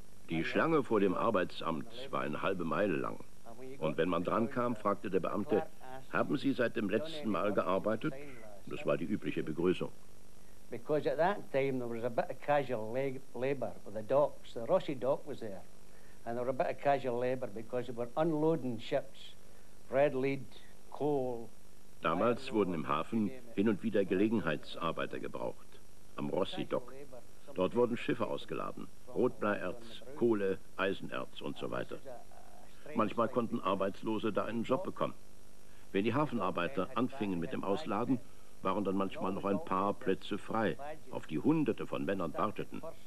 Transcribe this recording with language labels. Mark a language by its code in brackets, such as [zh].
[de] Die Schlange vor dem Arbeitsamt war eine halbe Meile lang. Und wenn man drankam, fragte der Beamte: Haben Sie seit dem letzten Mal gearbeitet? Das war die übliche Begrüßung. [en] Because at that time there was a bit of casual labor with the docks. The Rossi dock was there. And there were a bit of casual labor because they were unloading ships, red lead, coal. [de] Damals wurden im Hafen hin und wieder Gelegenheitsarbeiter gebraucht, am Rossi dock. Dort wurden Schiffe ausgeladen, Rotbleierz, Kohle, Eisenerz und so weiter. Manchmal konnten Arbeitslose da einen Job bekommen. Wenn die Hafenarbeiter anfingen mit dem Ausladen, waren dann manchmal noch ein paar Plätze frei, auf die Hunderte von Männern warteten.